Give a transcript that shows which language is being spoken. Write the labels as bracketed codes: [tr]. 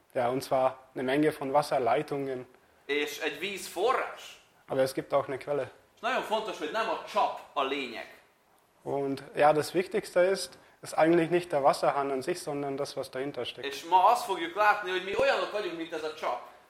[de] Und zwar eine Menge von Wasserleitungen. [hu] És egy vízforrás. [de] Aber es gibt auch eine Quelle. [hu] És nagyon fontos, hogy nem a csap a lényeg. [de] Und ja, das Wichtigste ist eigentlich nicht der Wasserhahn an sich, sondern das, was dahinter steckt. [hu] És ma azt fogjuk látni, hogy mi olyanok vagyunk, mint ez a csap.